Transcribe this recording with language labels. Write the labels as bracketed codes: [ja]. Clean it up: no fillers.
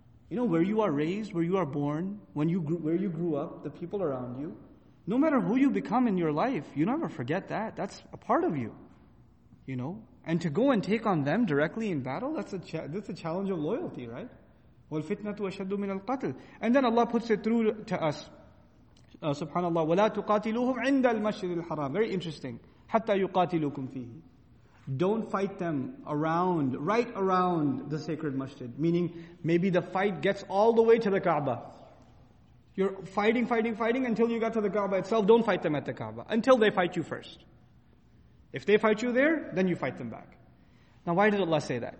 [en] You know, where you are raised, where you are born, when you grew, where you grew up, the people around you. No matter who you become in your life, you never forget that. That's a part of you. You know? And to go and take on them directly in battle, that's a challenge of loyalty, right? [ar] وَالْفِتْنَةُ أَشَدُّ مِنَ الْقَتْلِ [en] And then Allah puts it through to us. Subhanallah. [ar] وَلَا تُقَاتِلُوهُمْ عِنْدَ الْمَشْرِ الْحَرَامِ [en] Very interesting. [ar] حَتَّى يُقَاتِلُوكُمْ فِيهِ [en] Don't fight them around, right around the sacred masjid. Meaning, maybe the fight gets all the way to the Kaaba. You're fighting until you got to the Kaaba itself. Don't fight them at the Kaaba. Until they fight you first. If they fight you there, then you fight them back. Now why did Allah say that?